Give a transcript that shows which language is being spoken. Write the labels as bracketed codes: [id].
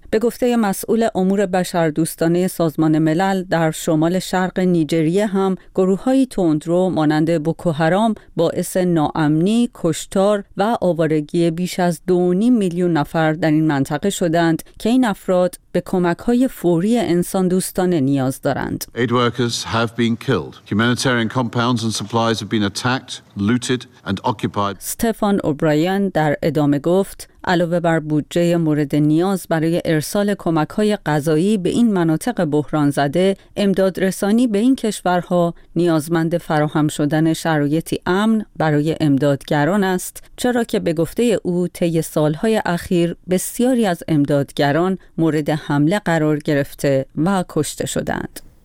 [fa] به گفته مسئول امور بشردوستانه سازمان ملل در شمال شرق نیجریه هم گروه‌های تندرو مانند بوکو هرام باعث ناامنی، کشتار و آوارگی بیش از 2.5 میلیون نفر در این منطقه شدند که این افراد به کمک‌های فوری انسان دوستانه نیاز دارند. [en] Aid workers have been killed. Humanitarian compounds and supplies have been attacked, looted and occupied. [fa] استفان اوبراین در ادامه گفت علاوه بر بودجه مورد نیاز برای ارسال کمک‌های غذایی به این مناطق بحران زده، امداد رسانی به این کشورها نیازمند فراهم شدن شرایطی امن برای امدادگران است، چرا که به گفته او طی سال‌های اخیر بسیاری از امدادگران مورد حمله قرار گرفته و کشته شدند.